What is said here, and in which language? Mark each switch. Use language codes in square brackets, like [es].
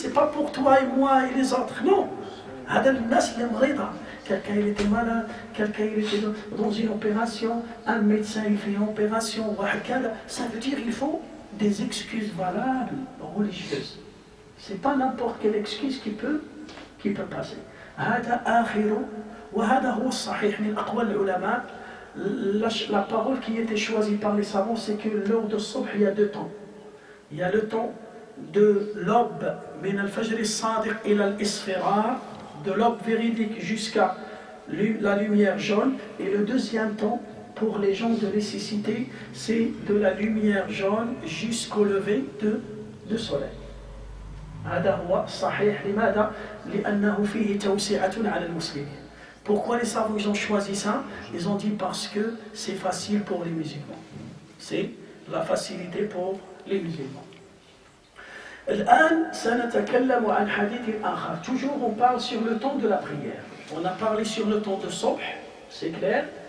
[fr] C'est pas pour toi et moi et les autres, non. Adel Nas Yamrida. Quelqu'un, il était malade, quelqu'un, il était dans une opération. Un médecin, il fait une opération. Ça veut dire qu'il faut des excuses valables, religieuses. C'est pas n'importe quelle excuse qui peut passer. [ar] هذا آخر وهذا هو الصحيح من أقوال العلماء. [fr] La parole qui était choisie par les savants, c'est que l'heure de subh, il y a deux temps. Il y a le temps de l'aube, [ar] min al-fajr as-sadiq ila al-isfira, [fr] de l'aube véridique jusqu'à la lumière jaune. Et le deuxième temps pour les gens de nécessité, c'est de la lumière jaune jusqu'au lever de soleil. [ar] هذا هو صحيح لماذا لانه فيه توسعه على المسلمين. [fr] Pourquoi les savants ont choisi ça? Ils ont dit parce que c'est facile pour les musulmans, c'est la facilité pour les musulmans. [ar] الان سنتكلم عن حديث اخر. [fr] Toujours on parle sur le temps de la prière. On a parlé sur le temps de subh, c'est clair.